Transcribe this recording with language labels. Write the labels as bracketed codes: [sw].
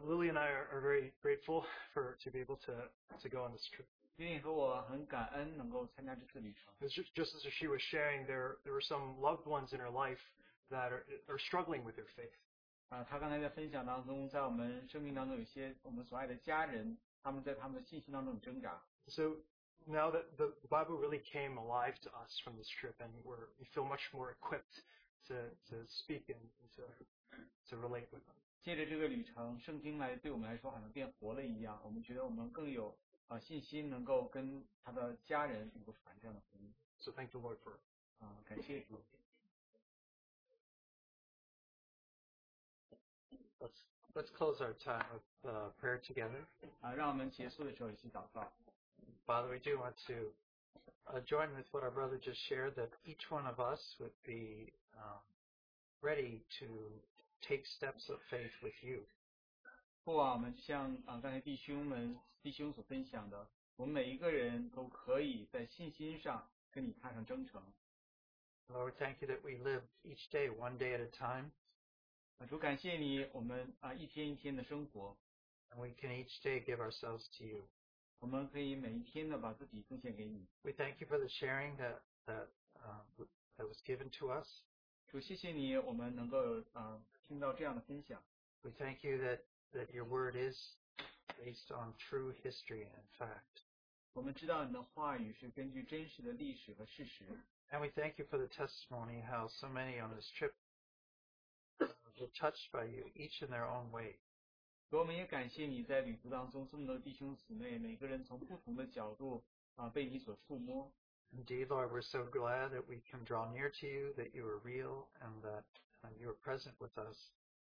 [en] Lily and I are very grateful for to be able to go on this trip. [zh] Lily 和我很感恩能够参加这次旅程。 [en] Just as she was sharing, there were some loved ones in her life that are struggling with their faith. [zh] 她刚才在分享当中，在我们生命当中有些我们所爱的家人，他们在他们的信心当中挣扎。 [en] So now that the Bible really came alive to us from this trip, and we feel much more equipped to speak and to relate with them. [zh] 借着这个旅程，圣经来对我们来说好像变活了一样。我们觉得我们更有信心，能够跟他的家人能够传这样的福音。 [en] So thank the Lord for. [zh] 感谢主。 [en] Let's close our time of prayer together. [zh] 让我们结束的时候一起祷告。 [en] Father, we do want to join with what our brother just shared, that each one of us would be ready to take steps of faith with you. [zh] 父啊，我们就像刚才弟兄们所分享的，我们每一个人都可以在信心上跟你踏上征程。 [en] Lord, thank you that we live each day one day at a time. [zh] 主感谢你，我们一天一天的生活。 [en] And we can each day give ourselves to you. [zh] 我们可以每一天的把自己奉献给你。 [en] We thank you for the sharing that was given to us. [zh] 主谢谢你，我们能够听到这样的分享。 [en] We thank you that your word is based on true history and fact. [zh] 我们知道你的话语是根据真实的历史和事实。 [en] And we thank you for the testimony how so many on this trip were touched by you, each in their own way. Indeed, Lord, we're so glad that we can draw near to you, that you are real, and that you are present with us.